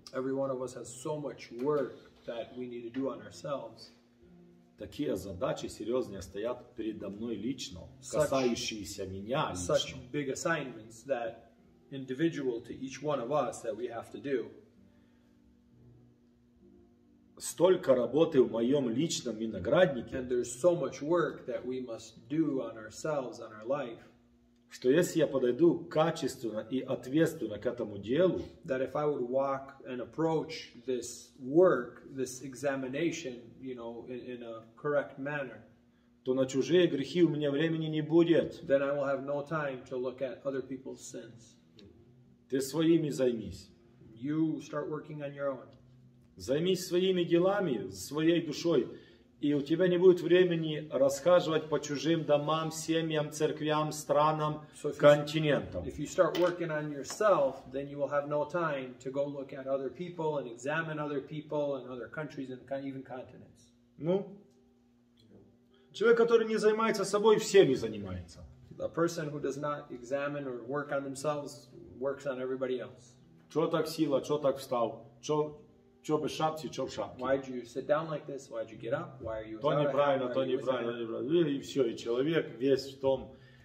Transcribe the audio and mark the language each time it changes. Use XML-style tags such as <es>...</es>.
<en>Every one of us has so much work that we need to do on ourselves.</en> <ru>Такие задачи серьезные стоят передо мной лично, касающиеся меня лично.</ru> <en>Such big assignments that individual to each one of us that we have to do.</en> <ru>Столько работы в моем личном винограднике.</ru> <en>And there's so much work that we must do on ourselves, on our life.</en> <ru>Что если я подойду качественно и ответственно к этому делу,</ru> <en>that if I would walk and approach this work, this examination, you know, in a correct manner,</en> <ru>то на чужие грехи у меня времени не будет.</ru> <en>Then I will have no time to look at other people's sins.</en> <ru>Ты своими займись.</ru> <en>You start working on your own.</en> <ru>Займись своими делами, своей душой. И у тебя не будет времени расхаживать по чужим домам, семьям, церквям, странам, континентам.</ru> <en>If you start working on yourself, then you will have no time to go look at other people and examine other people and other countries and even continents.</en> <ru>Ну, человек, который не занимается собой, всеми занимается.</ru> <en>A person who does not examine or work on themselves works on everybody else.</en> <ru>Чо так сила, чо так встал, чо... Чо бы шапки, чо бы шапки.</ru> <en>Why do you sit down like this? Why do you get up? Why are you?</en> <ru>То неправильно, то неправильно, неправильно. И все, и человек весь в том.</ru>